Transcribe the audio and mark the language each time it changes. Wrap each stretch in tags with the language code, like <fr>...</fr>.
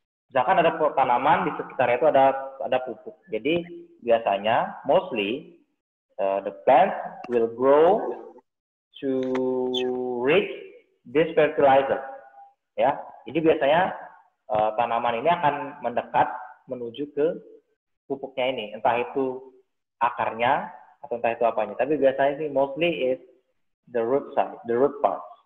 <id>Misalkan ada tanaman di sekitar itu ada pupuk. Jadi biasanya</id> <en>mostly the plant will grow to reach this fertilizer.</en> <id>Ya. Jadi biasanya tanaman ini akan mendekat menuju ke pupuknya ini, entah itu akarnya atau entah itu apanya. Tapi biasanya sih</id> <en>mostly is the root side, the root part.</en>